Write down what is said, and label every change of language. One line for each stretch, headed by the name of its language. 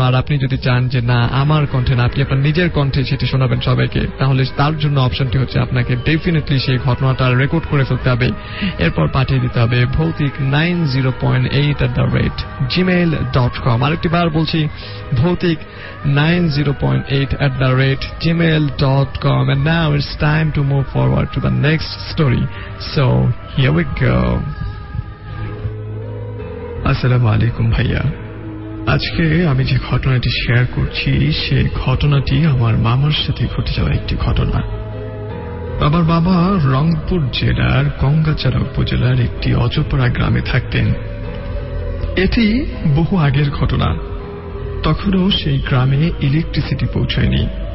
Bangla: আর আপনি যদি চান যে না আমার কণ্ঠে না, আপনি আপনার নিজের কণ্ঠে সেটি শোনাবেন সবাইকে, তাহলে তার জন্য অপশনটি হচ্ছে আপনাকে ডেফিনেটলি সেই ঘটনাটা রেকর্ড করে ফেলতে হবে, এরপর পাঠিয়ে দিতে হবে bhautik90.8@gmail.com। আরেকটি বার বলছি bhautik90.8@gmail.com।
English: And now it's time to move forward to the next story, so here we go.
Bangla: Assalamu alaikum bhaiya, আজকে আমি যে ঘটনাটি শেয়ার করছি সে ঘটনাটি আমার মামার সাথে ঘটে যাওয়া একটি ঘটনা। আমার বাবা রংপুর জেলার গঙ্গাচড়া উপজেলার একটি অজপাড়া গ্রামে থাকতেন, এটি বহু আগের ঘটনা, তখনও সেই গ্রামে ইলেকট্রিসিটি পৌঁছায়নি।